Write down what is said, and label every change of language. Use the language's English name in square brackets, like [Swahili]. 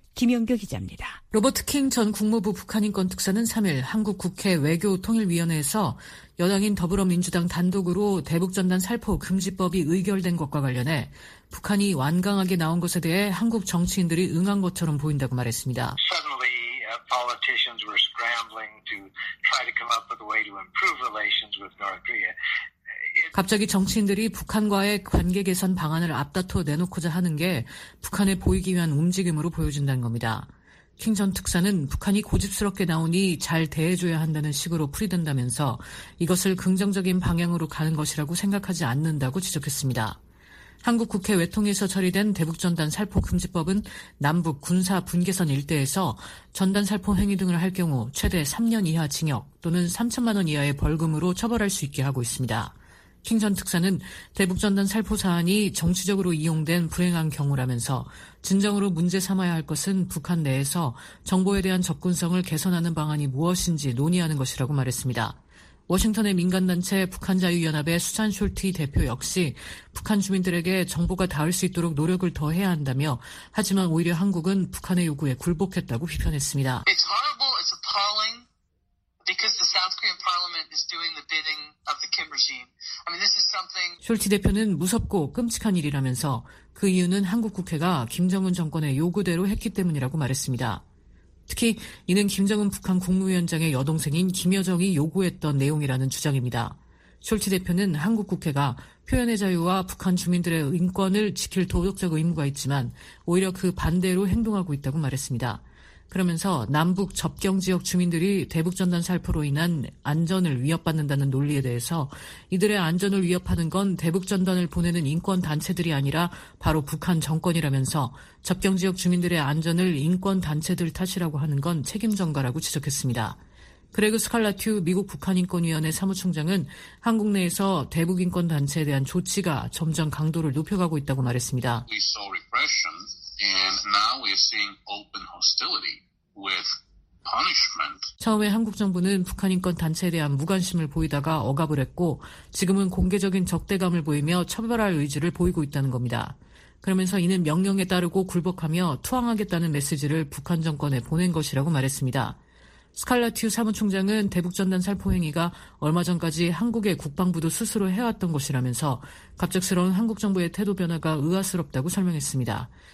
[Korean] 김영규 기자입니다. 로버트 킹 전 국무부 북한인권특사는 3일 한국 국회 외교통일위원회에서 여당인 더불어민주당 단독으로 대북전단 살포 금지법이 의결된 것과 관련해 북한이 완강하게 나온 것에 대해 한국 정치인들이 응한 것처럼 보인다고 말했습니다. [English] Politicians were scrambling to try to come up with a way to improve relations with North Korea. [Korean] 갑자기 정치인들이 북한과의 관계 개선 방안을 앞다퉈 내놓고자 하는 게 북한에 보이기 위한 움직임으로 보여진다는 겁니다. 킹 전 특사는 북한이 고집스럽게 나오니 잘 대해줘야 한다는 식으로 풀이된다면서 이것을 긍정적인 방향으로 가는 것이라고 생각하지 않는다고 지적했습니다. 한국 국회 외통위에서 처리된 대북전단 살포금지법은 남북 군사 분계선 일대에서 전단 살포 행위 등을 할 경우 최대 3년 이하 징역 또는 3천만 원 이하의 벌금으로 처벌할 수 있게 하고 있습니다. 킹 전 특사는 대북전단 살포 사안이 정치적으로 이용된 불행한 경우라면서 진정으로 문제 삼아야 할 것은 북한 내에서 정보에 대한 접근성을 개선하는 방안이 무엇인지 논의하는 것이라고 말했습니다. 워싱턴의 민간단체 북한자유연합의 수잔 숄티 대표 역시 북한 주민들에게 정보가 닿을 수 있도록 노력을 더해야 한다며 하지만 오히려 한국은 북한의 요구에 굴복했다고 비판했습니다. [English] It's horrible. It's appalling because the South Korean parliament is doing the bidding of the Kim regime. I mean, this is something. [Korean] 숄티 대표는 무섭고 끔찍한 일이라면서 그 이유는 한국 국회가 김정은 정권의 요구대로 했기 때문이라고 말했습니다. 특히 이는 김정은 북한 국무위원장의 여동생인 김여정이 요구했던 내용이라는 주장입니다. 숄츠 대표는 한국 국회가 표현의 자유와 북한 주민들의 인권을 지킬 도덕적 의무가 있지만 오히려 그 반대로 행동하고 있다고 말했습니다. 그러면서 남북 접경 지역 주민들이 대북전단 살포로 인한 안전을 위협받는다는 논리에 대해서 이들의 안전을 위협하는 건 대북전단을 보내는 인권단체들이 아니라 바로 북한 정권이라면서 접경 지역 주민들의 안전을 인권단체들 탓이라고 하는 건 책임전가라고 지적했습니다. 그레그 스칼라튜 미국 북한인권위원회 사무총장은 한국 내에서 대북인권단체에 대한 조치가 점점 강도를 높여가고 있다고 말했습니다. [English] And now we're seeing open hostility with punishment. [Korean] 처음에 한국 정부는 북한 인권 단체에 대한 무관심을 보이다가 억압을 했고 지금은 공개적인 적대감을 보이며 처벌할 의지를 보이고 있다는 겁니다. 그러면서 이는 명령에 따르고 굴복하며 투항하겠다는 메시지를 북한 정권에 보낸 것이라고 말했습니다. 스칼라튜 사무총장은 대북전단 살포 행위가 얼마 전까지 한국의 국방부도 스스로 해왔던 것이라면서 갑작스러운 한국 정부의 태도 변화가 의아스럽다고 설명했습니다.